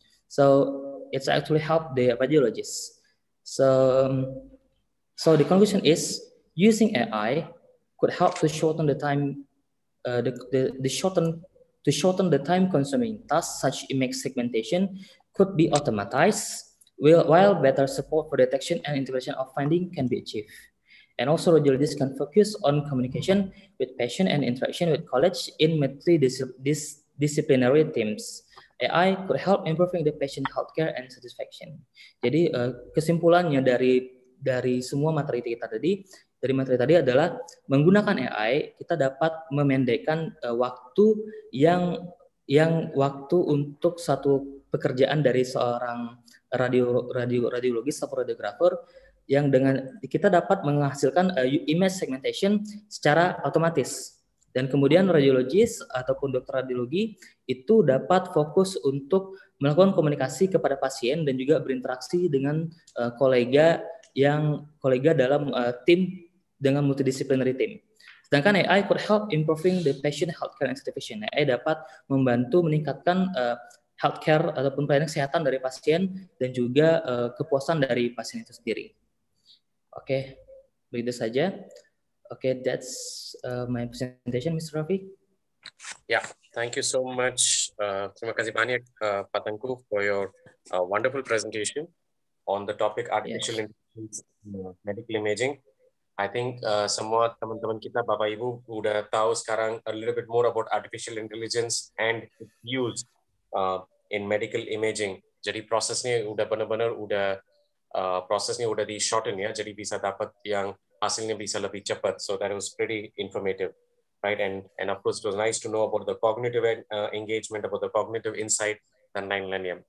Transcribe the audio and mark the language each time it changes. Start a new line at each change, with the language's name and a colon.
English: So it's actually help the radiologists. So the conclusion is using AI could help to shorten the time, shorten the time consuming tasks such image segmentation could be automatized while better support for detection and interpretation of finding can be achieved. And also radiologists can focus on communication with patient and interaction with colleagues in multidisciplinary teams. AI could help improving the patient healthcare and satisfaction.
Indonesian: Jadi kesimpulannya dari semua materi kita tadi, dari materi tadi adalah menggunakan AI kita dapat memendekkan waktu yang waktu untuk satu pekerjaan dari seorang radiologis atau radiografer, yang dengan kita dapat menghasilkan image segmentation secara otomatis. Dan kemudian radiologis ataupun dokter radiologi itu dapat fokus untuk melakukan komunikasi kepada pasien dan juga berinteraksi dengan kolega dalam tim dengan multidisciplinary team.
English: Sedangkan AI could help improving the patient healthcare and satisfaction.
Indonesian: AI dapat membantu meningkatkan healthcare ataupun pelayanan kesehatan dari pasien dan juga kepuasan dari pasien itu sendiri.
English: Oke, okay,
Indonesian: begitu saja.
English: Oke, okay, that's my presentation, Mr. Rafi. Yeah, thank you so much.
Indonesian: Terima kasih banyak, Pak Tengku,
English: for your wonderful presentation on the topic artificial intelligence medical imaging. I think
Indonesian: semua teman-teman kita, Bapak Ibu, udah tahu sekarang
English: a little bit more about artificial intelligence and its use in medical imaging.
Indonesian: Jadi prosesnya udah benar-benar udah prosesnya udah di shorten ya, jadi bisa dapat yang hasilnya bisa lebih cepat.
English: So that was pretty informative, right? And of course, it was nice to know about the cognitive engagement, about the cognitive insight,
Indonesian: dan lain-lainnya.